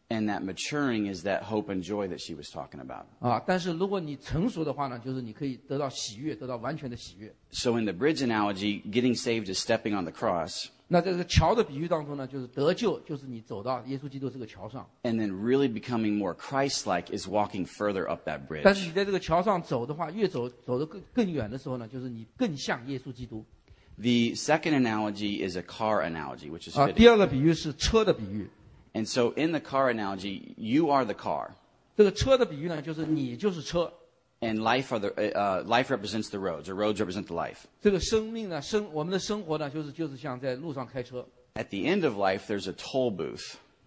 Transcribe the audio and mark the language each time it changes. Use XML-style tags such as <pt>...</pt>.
<en>And that maturing is that hope and joy that she was talking about.</en> <zh>但是如果你成熟的话呢，就是你可以得到喜悦，得到完全的喜悦。</zh> <en>So in the bridge analogy, getting saved is stepping on the cross.</en> <zh>那这个桥的比喻当中呢，就是得救，就是你走到耶稣基督这个桥上。</zh> <en>And then really becoming more Christ-like is walking further up that bridge.</en> <zh>但是你在这个桥上走的话，越走得更远的时候呢，就是你更像耶稣基督。</zh> <en>The second analogy is a car analogy, which is fitting.</en> <zh>第二个比喻是车的比喻。</zh> <en>And so in the car analogy, you are the car.</en> <zh>这个车的比喻呢，就是你就是车。</zh> <en>And life, are the, life represents the roads, or roads represent the life.</en> <zh>这个生命呢，我们的生活呢，就是像在路上开车。</zh> <en>At the end of life, there's a toll booth.</en>